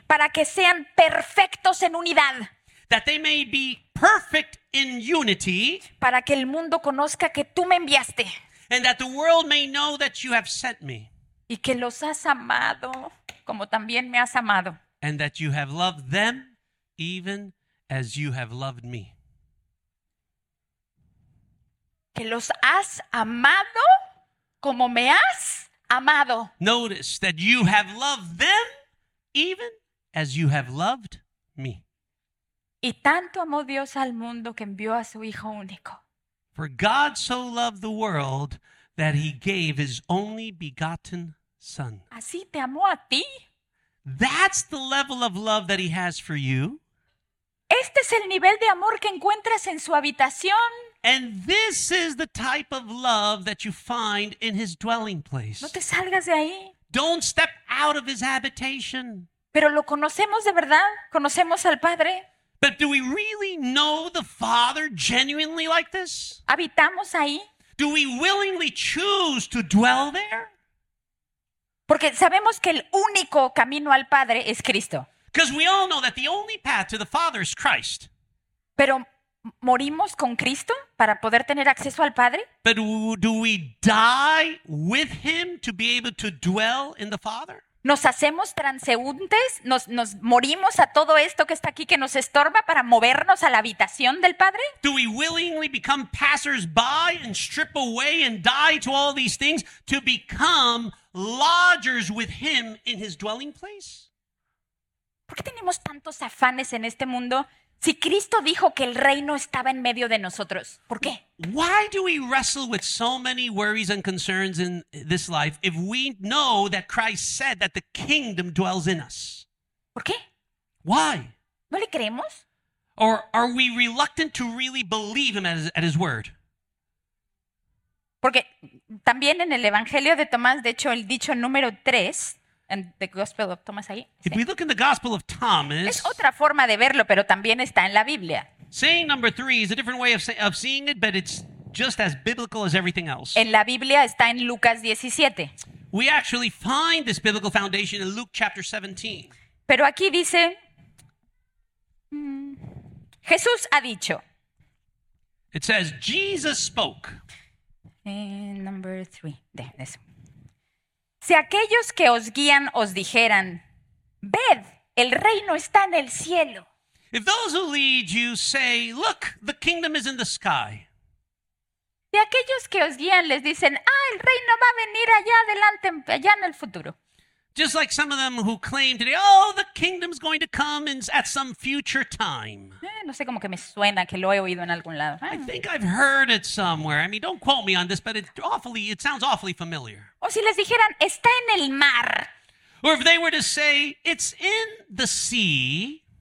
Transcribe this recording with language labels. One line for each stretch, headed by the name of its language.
Spanish: Para que sean perfectos en unidad.
English: That they may be perfect in unity.
Spanish: Para que el mundo conozca que tú me enviaste.
English: And that the world may know that you have sent me.
Spanish: Y que los has amado como también me has amado.
English: And that you have loved them even as you have loved me.
Spanish: Que los has amado como me has amado.
English: Notice that you have loved them even as you have loved me.
Spanish: Y tanto amó Dios al mundo que envió a su Hijo único.
English: For God so loved the world that he gave his only begotten Son.
Spanish: Así te amó a ti.
English: That's the level of love that he has for you.
Spanish: Este es el nivel de amor que encuentras en su habitación.
English: And this is the type of love that you find in his dwelling place.
Spanish: No te salgas de ahí.
English: Don't step out of his habitation.
Spanish: Pero lo conocemos de verdad. Conocemos al Padre.
English: But do we really know the Father genuinely like this?
Spanish: ¿Habitamos ahí?
English: Do we willingly choose to dwell there?
Spanish: Porque sabemos que el único camino al Padre es Cristo.
English: Because we all know that the only path to the Father is Christ.
Spanish: Pero ¿morimos con Cristo para poder tener acceso al Padre?
English: But do we die with him to be able to dwell in the Father?
Spanish: ¿Nos hacemos transeúntes? ¿Nos morimos a todo esto que está aquí que nos estorba para movernos a la habitación del Padre?
English: Do we willingly become passers-by and strip away and die to all these things to become lodgers with him in his dwelling place?
Spanish: ¿Por qué tenemos tantos afanes en este mundo si Cristo dijo que el reino estaba en medio de nosotros? ¿Por qué?
English: Why do we wrestle with so many worries and concerns in this life if we know that Christ said that the kingdom dwells in us?
Spanish: ¿Por qué?
English: Why?
Spanish: ¿No le creemos?
English: Or are we reluctant to really believe him at his word?
Spanish: Porque también en el Evangelio de Tomás, de hecho, el dicho número 3, en
English: the Gospel of Thomas
Spanish: ahí.
English: If we look in the Gospel of Thomas.
Spanish: Es otra forma de verlo, pero también está en la Biblia.
English: Saying number three is a different way of seeing it, but it's just as biblical as everything else.
Spanish: En la Biblia está en Lucas 17.
English: We actually find this biblical foundation in Luke chapter 17.
Spanish: Pero aquí dice, Jesús ha dicho.
English: It says, Jesus spoke. And number three. There,
Spanish: si aquellos que os guían os dijeran, ved, el reino está en el cielo.
English: If those who lead you say, look, the kingdom is in the sky.
Spanish: Si aquellos que os guían les dicen, ah, el reino va a venir allá adelante, allá en el futuro.
English: Just like some of them who claim today, oh, the kingdom's going to come in, at some future time.
Spanish: No sé, como que me suena, que lo he oído en algún lado.
English: I think I've heard it somewhere. I mean, don't quote me on this, but it sounds awfully familiar.
Spanish: O si les dijeran, está en el mar.
English: Or if they were to say, it's in the sea.